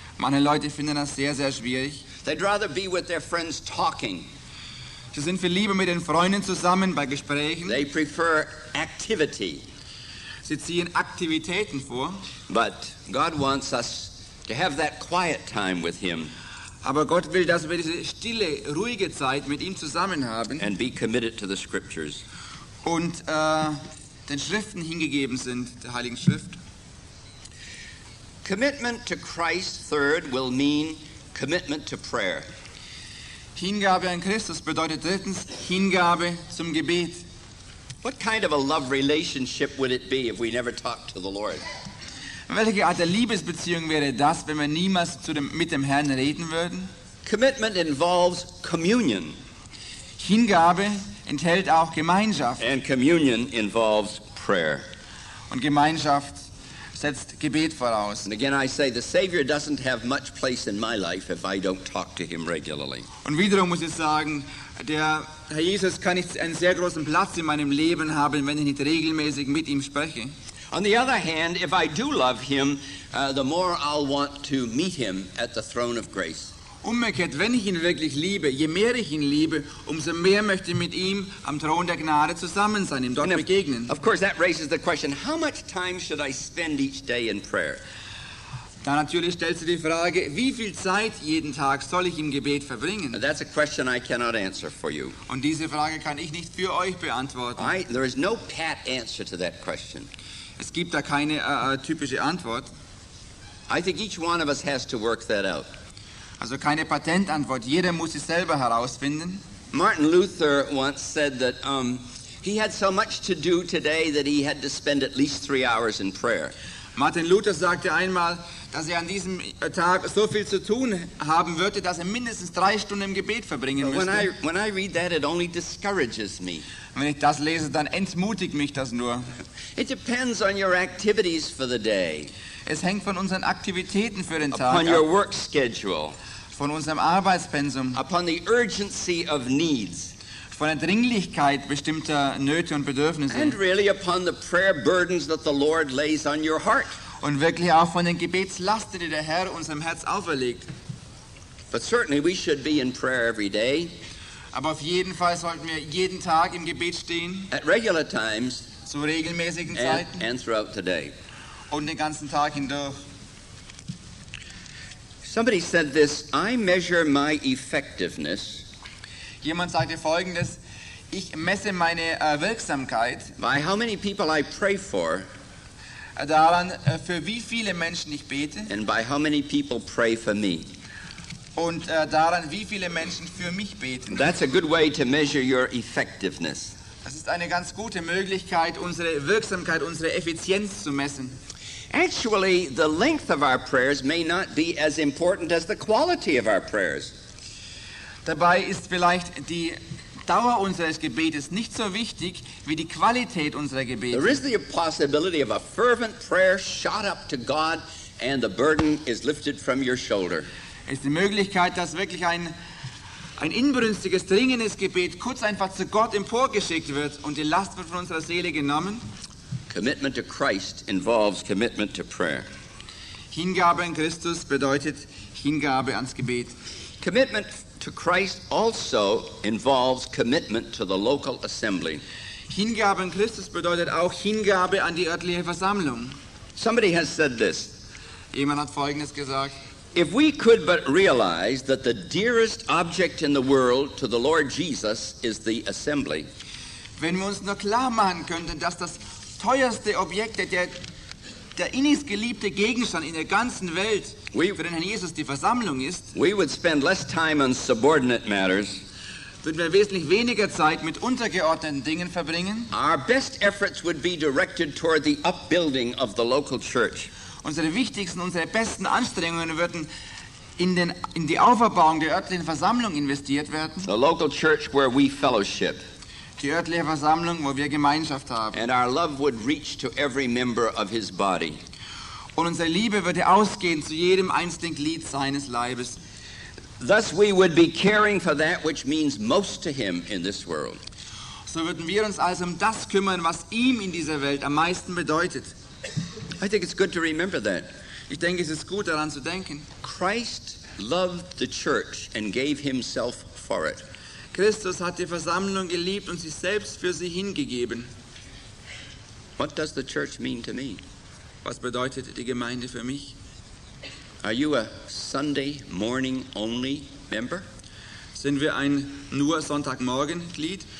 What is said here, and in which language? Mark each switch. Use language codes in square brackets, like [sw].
[de] Manche Leute finden das sehr, sehr schwierig. [en] They'd rather be with their friends talking. [de] Sie sind viel lieber mit den Freunden zusammen bei Gesprächen. [en] They prefer activity. [de] Sie ziehen Aktivitäten vor. [en] But God wants us to have that quiet time with him. [de] Aber Gott will, dass wir diese stille, ruhige Zeit mit ihm zusammen haben. [en] And be committed to the scriptures. [de] Und den Schriften hingegeben sind, der Heiligen Schrift. [en] Commitment to Christ, third, will mean commitment to prayer. [de] Hingabe an Christus bedeutet drittens Hingabe zum Gebet. [en] What kind of a love relationship would it be if we never talked to the Lord? [de] Welche Art der Liebesbeziehung wäre das, wenn wir niemals mit dem Herrn reden würden? [en] Commitment involves communion. [de] Hingabe enthält auch Gemeinschaft. [en] And communion involves prayer. [de] Und Gemeinschaft setzt Gebet voraus. [en] And again I say, the Savior doesn't have much place in my life if I don't talk to him regularly. [de] Und wiederum muss ich sagen, der Herr Jesus kann nicht einen sehr großen Platz in meinem Leben haben, wenn ich nicht regelmäßig mit ihm spreche. [en] On the other hand, if I do love him, the more I'll want to meet him at the throne of grace. [de] Umgekehrt, wenn ich ihn wirklich liebe, je mehr ich ihn liebe, umso mehr möchte ich mit ihm am Thron der Gnade zusammen sein, ihm dort begegnen. [en] Of course, that raises the question, how much time should I spend each day in prayer? [de] Da natürlich stellst du die Frage, wie viel Zeit jeden Tag soll ich im Gebet verbringen? [en] That's a question I cannot answer for you. [de] Und diese Frage kann ich nicht für euch beantworten. [en] There is no pat answer to that question. [de] Es gibt da keine typische Antwort. [en] I think each one of us has to work that out. [de] Also keine Patentantwort, jeder muss es selber herausfinden. [en] Martin Luther once said that he had so much to do today that he had to spend at least 3 hours in prayer. [de] Martin Luther sagte einmal, dass er an diesem Tag so viel zu tun haben würde, dass er mindestens 3 Stunden im Gebet verbringen müsste. [en] When I read that, it only discourages me. [de] Wenn ich das lese, dann entmutigt mich das nur. [en] It depends on your activities for the day. [de] Es hängt von unseren Aktivitäten für den Tag ab. [en] Upon your work schedule. [de] Von unserem Arbeitspensum. [en] Upon the urgency of needs. [de] Von der Dringlichkeit bestimmter Nöte und Bedürfnisse. [en] And really upon the prayer burdens that the Lord lays on your heart. [de] Und wirklich auch von den Gebetslasten, die der Herr unserem Herz auferlegt. [en] But certainly we should be in prayer every day. [de] Aber auf jeden Fall sollten wir jeden Tag im Gebet stehen. [en] At regular times. [de] Zu regelmäßigen Zeiten. [en] And throughout the day. [de] Und den ganzen Tag hindurch. [en] Somebody said this, I measure my effectiveness. [de] Jemand sagte Folgendes, ich messe meine Wirksamkeit [en] by how many people I pray for, [de] daran, für wie viele Menschen ich bete, [en] and by how many people pray for me. [de] Und daran, wie viele Menschen für mich beten. [en] That's a good way to measure your effectiveness. [de] Das ist eine ganz gute Möglichkeit, unsere Wirksamkeit, unsere Effizienz zu messen. [en] Actually, the length of our prayers may not be as important as the quality of our prayers. [de] Dabei ist vielleicht die Dauer unseres Gebetes nicht so wichtig wie die Qualität unserer Gebete. [en] There is the possibility of a fervent prayer shot up to God and the burden is lifted from your shoulder. [de] Es ist die Möglichkeit, dass wirklich ein inbrünstiges, dringendes Gebet kurz einfach zu Gott emporgeschickt wird und die Last wird von unserer Seele genommen. [en] Commitment to Christ involves commitment to prayer. [de] Hingabe an Christus bedeutet Hingabe ans Gebet. [en] Commitment to Christ also involves commitment to the local assembly. [de] Hingabe an Christus bedeutet auch Hingabe an die örtliche Versammlung. [en] Somebody has said this. [de] Jemand hat Folgendes gesagt. [en] If we could but realize that the dearest object in the world to the Lord Jesus is the assembly. [de] Wenn wir uns nur klar machen könnten, dass das teuerste Objekt, der innigst geliebte Gegenstand in der ganzen Welt für den Herrn Jesus die Versammlung ist, [en] we would spend less time on subordinate matters, [de] würden wir wesentlich weniger Zeit mit untergeordneten Dingen verbringen. [en] Our best efforts would be directed toward the upbuilding of the local church. [de] Unsere wichtigsten, unsere besten Anstrengungen würden in die Auferbauung der örtlichen Versammlung investiert werden. [en] The local church where we fellowship. [de] Die örtliche Versammlung, wo wir Gemeinschaft haben. [en] And our love would reach to every member of his body. [de] Und unsere Liebe würde ausgehen zu jedem einzelnen Glied seines Leibes. [en] Thus we would be caring for that which means most to him in this world. [de] So würden wir uns also um das kümmern, was ihm in dieser Welt am meisten bedeutet. [en] I think it's good to remember that. [de] Ich denke, es ist gut, daran zu denken. [en] Christ loved the church and gave himself for it. [de] Christus hat die Versammlung geliebt und sich selbst für sie hingegeben. [en] What does the church mean to me? [de] Was bedeutet die Gemeinde für mich? [en] Are you a Sunday morning only member? [de] Sind wir ein nur Sonntagmorgen Glied?